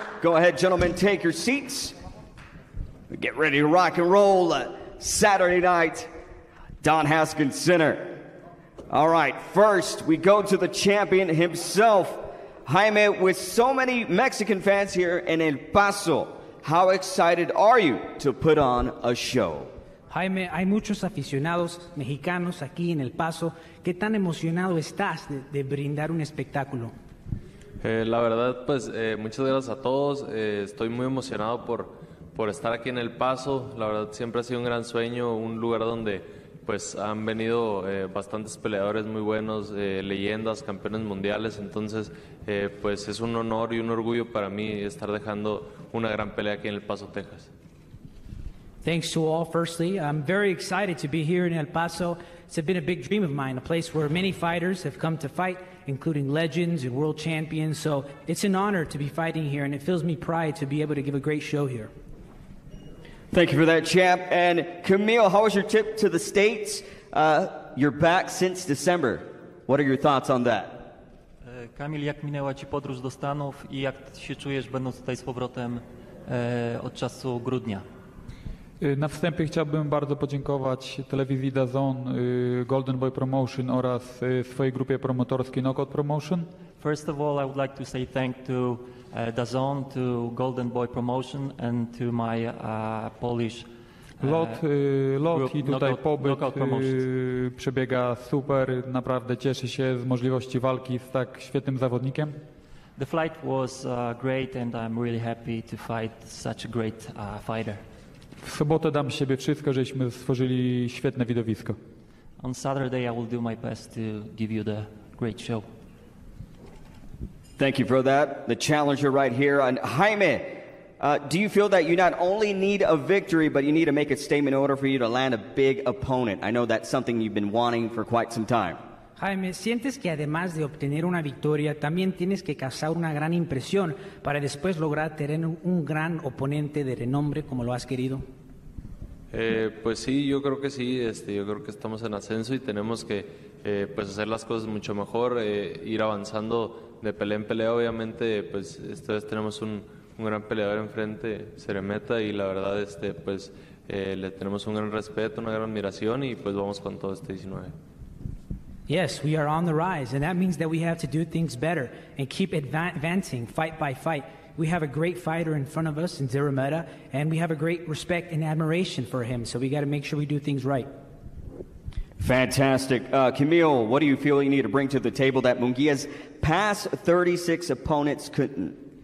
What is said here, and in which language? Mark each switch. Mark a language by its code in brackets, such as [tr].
[en] Go ahead, gentlemen, take your seats. Get ready to rock and roll Saturday night, Don Haskins Center. All right, first we go to the champion himself, Jaime, with so many Mexican fans here in El Paso. How excited are you to put on a show? [es] Jaime, hay muchos aficionados mexicanos aquí en El Paso. ¿Qué tan emocionado estás de brindar un espectáculo? La verdad, pues, muchas gracias a todos. Estoy muy emocionado por estar aquí en El Paso. La verdad, siempre ha sido un gran sueño, un lugar donde pues han venido bastantes peleadores muy buenos, leyendas, campeones mundiales. Entonces, pues es un honor y un orgullo para mí estar dejando una gran pelea aquí en El Paso, Texas. [en] Thanks to all, firstly. I'm very excited to be here in El Paso. It's been a big dream of mine, a place where many fighters have come to fight, including legends and world champions. So it's an honor to be fighting here, and it fills me pride to be able to give a great show here. Thank you for that, champ. And Kamil, how was your trip to the States? You're back since December. What are your thoughts on that? [pl] Kamil, jak minęła ci podróż do Stanów i jak się czujesz będąc tutaj z powrotem od czasu grudnia? Na wstępie chciałbym bardzo podziękować telewizji Dazn, Golden Boy Promotion oraz swojej grupie promotorskiej Knockout Promotion. [en] First of all, I would like to say thank to Dazn, to Golden Boy Promotion and to my Polish [pl] lot i tutaj pobyt przebiega super. Naprawdę cieszę się z możliwości walki z tak świetnym zawodnikiem. [en] The flight was great and I'm really happy to fight such a great fighter. [pl] W sobotę dam siebie wszystko, żeśmy stworzyli świetne widowisko. [en] On Saturday I will do my best to give you the great show. Thank you for that. The challenger right here. And Jaime, do you feel that you not only need a victory, but you need to make a statement in order for you to land a big opponent? I know that's something you've been wanting for quite some time. [es] Jaime, ¿sientes que además de obtener una victoria, también tienes que causar una gran impresión para después lograr tener un gran oponente de renombre como lo has querido? Pues sí, yo creo que sí. Yo creo que estamos en ascenso y tenemos que pues hacer las cosas mucho mejor, ir avanzando de pelea en pelea. Obviamente, pues esta vez tenemos un gran peleador enfrente, Szeremeta, y la verdad, pues le tenemos un gran respeto, una gran admiración, y pues vamos con todo este 19. [en] Yes, we are on the rise, and that means that we have to do things better and keep advancing fight by fight. We have a great fighter in front of us in Szeremeta, and we have a great respect and admiration for him, so we got to make sure we do things right. Fantastic. Kamil, what do you feel you need to bring to the table that Munguia's past 36 opponents couldn't?